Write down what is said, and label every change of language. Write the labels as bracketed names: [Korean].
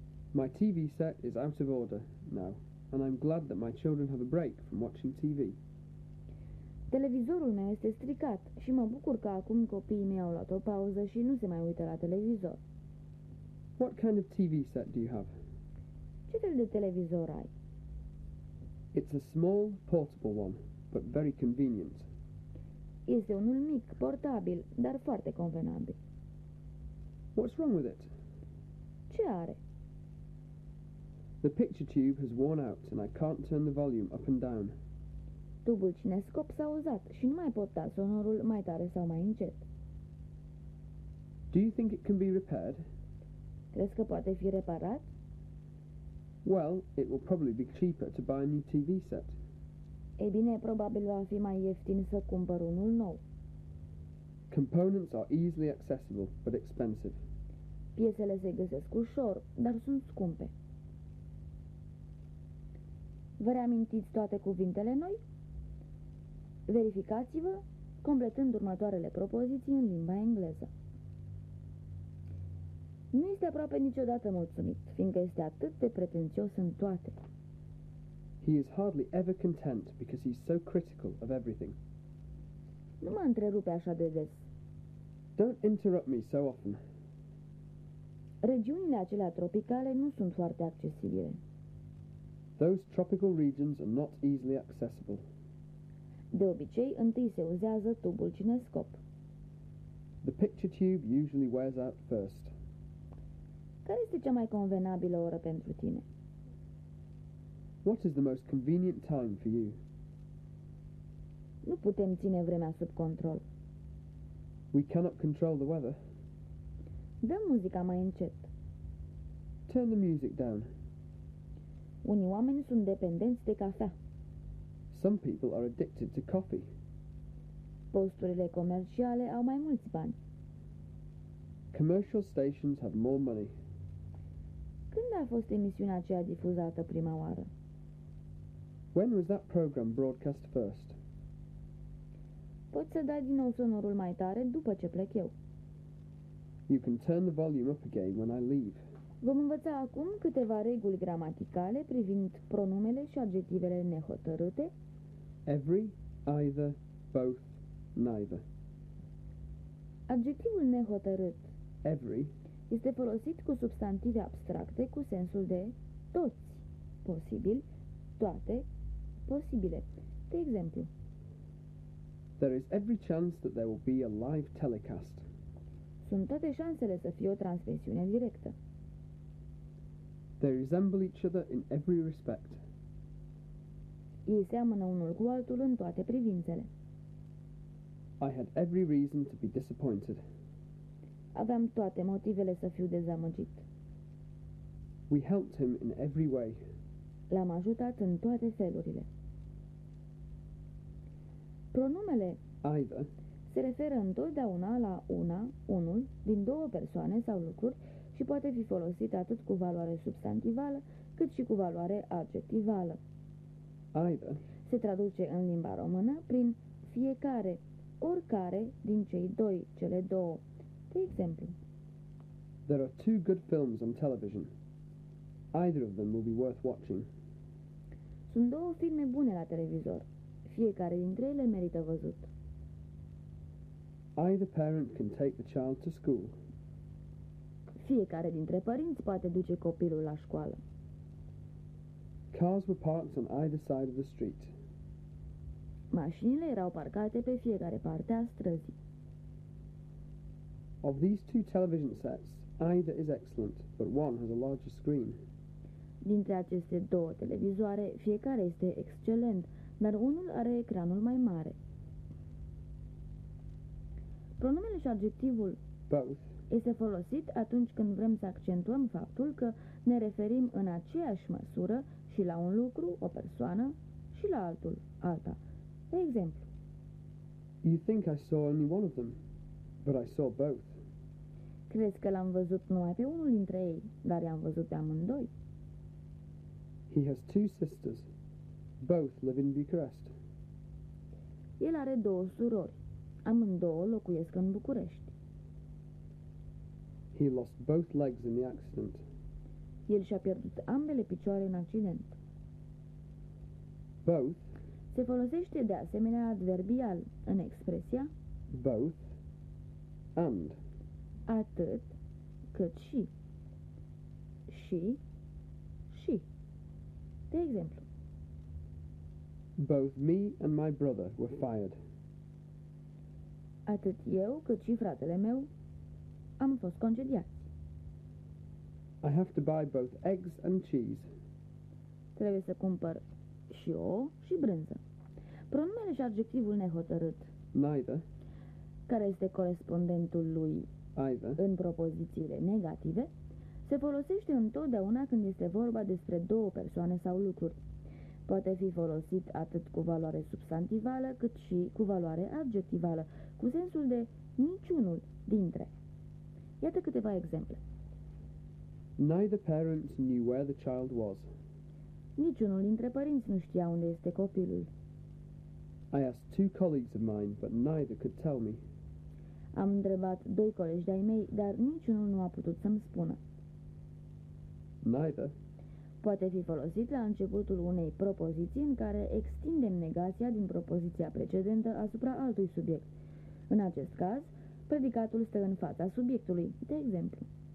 [English] My TV set is out of order now, and I'm glad that my children have a break from watching TV. [Romanian] Televizorul meu este stricat și mă bucur că acum copiii mei au luat o pauză și nu se mai uită la televizor. [English] What kind of TV set do you have? [Romanian] Ce fel de televizor ai? [English] It's a small, portable one, but very convenient. [Romanian] Este unul mic, portabil, dar foarte convenabil. [English] What's wrong with it? [Romanian] Ce are? [English] The picture tube has worn out and I can't turn the volume up and down. [Romanian] Tubul cinescop s-a uzat și nu mai pot da sonorul mai tare sau mai încet. [English] Do you think it can be repaired? [Romanian] Crezi că poate fi reparat? [English] Well, it will probably be cheaper to buy a new TV set. [Romanian] E bine, probabil va fi mai ieftin să cumpăr unul nou. [English] Components are easily accessible, but expensive. [Romanian] Piesele se găsesc ușor, dar sunt scumpe. Vă reamintiți toate cuvintele noi? Verificați-vă, completând următoarele propoziții în limba engleză. Nu este aproape niciodată mulțumit, fiindcă este atât de pretențios în toate. [English] He is hardly ever content because he's so critical of everything. [Romanian] Nu mă întrerupe așa de des. [English] Don't interrupt me so often. [Romanian] Regiunile acelea tropicale nu sunt foarte accesibile. [English] Those tropical regions are not easily accessible. [Romanian] De obicei, întâi se uzează tubul cinescop. [English] The picture tube usually wears out first. [Romanian] Care este cea mai convenabilă oră pentru tine? [English] What is the most convenient time for you? [Romanian] Nu putem ține vremea sub control. [English] We cannot control the weather. [Romanian] Dă muzica mai încet. [English] Turn the music down. [Romanian] Unii oameni sunt dependenți de cafea. [English] Some people are addicted to coffee. [Romanian] Posturile comerciale au mai mulți bani. [English] Commercial stations have more money. [Romanian] Când a fost emisiunea aceea difuzată prima oară? [English] When was that program broadcast first? [Romanian] Poți să dai din nou sonorul mai tare după ce plec eu. [English] You can turn the volume up again when I leave. [Romanian] Vom învăța acum câteva reguli gramaticale privind pronumele și adjectivele nehotărâte. [English] Every, either, both, neither. [Romanian] Adjectivul nehotărât [English] every [Romanian] este folosit cu substantive abstracte cu sensul de toți, posibil, toate, posibile. De exemplu, [English] there is every chance that there will be a live telecast. [Romanian] Sunt toate șansele să fie o transmisiune directă. [English] They resemble each other in every respect. [Romanian] Ei seamănă unul cu altul în toate privințele. [English] I had every reason to be disappointed. [Romanian] Aveam toate motivele să fiu dezamăgit. [English] We helped him in every way. [Romanian] L-am ajutat în toate felurile. Pronumele [English] either [Romanian] se referă întotdeauna la una, unul, din două persoane sau lucruri și poate fi folosit atât cu valoare substantivală, cât și cu valoare adjectivală. [English] Either [Romanian] se traduce în limba română prin fiecare, oricare din cei doi, cele două. De exemplu, [English] there are two good films on television. Either of them will be worth watching. [Romanian] Sunt două filme bune la televizor. Fiecare dintre ele merită văzut. [English] Either parent can take the child to school. [Romanian] Fiecare dintre părinți poate duce copilul la școală. [English] Cars were parked on either side of the street. [Romanian] Mașinile erau parcate pe fiecare parte a străzii. [English] Of these two television sets, either is excellent, but one has a larger screen. [Romanian] Dintre aceste două televizoare, fiecare este excelent, dar unul are ecranul mai mare. Pronumele și adjectivul [English] both [Romanian] este folosit atunci când vrem să accentuăm faptul că ne referim în aceeași măsură și la un lucru, o persoană, și la altul, alta. De exemplu, [English] you think I saw only one of them, but I saw both. [Romanian] Crezi că l-am văzut numai pe unul dintre ei, dar i-am văzut pe amândoi. [English] He has two sisters. Both live in Bucharest. [Romanian] El are două surori. Amândouă locuiesc în București. [English] He lost both legs in the accident. [Romanian] El și-a pierdut ambele picioare în accident. [English] Both [Romanian] se folosește de asemenea adverbial în expresia [English] both and. [Romanian] Atât, cât și. Și, și. De exemplu, [English] both me and my brother were fired. [Romanian] Atât eu, cât și fratele meu, am fost concediați. [English] I have to buy both eggs and cheese. [Romanian] Trebuie să cumpăr și ouă și brânză. Pronumele și adjectivul nehotărât [English] neither, [Romanian] care este corespondentul lui [English] either [Romanian] în propozițiile negative, se folosește întotdeauna când este vorba despre două persoane sau lucruri. poate fi folosit atât cu valoare substantivală, cât și cu valoare adjectivală, cu sensul de niciunul dintre. Iată câteva exemple. [English] Neither parent knew where the child was. [Romanian] Niciunul dintre părinți nu știa unde este copilul. [English] I asked two colleagues of mine, but neither could tell me. [Romanian] Am întrebat doi colegi de-ai mei, dar niciunul nu a putut să-mi spună. [English] Neither. [Romanian] Poate fi folosit la începutul unei propoziții în care extindem negația din propoziția precedentă asupra altui subiect. În acest caz, predicatul stă în fața subiectului, de exemplu.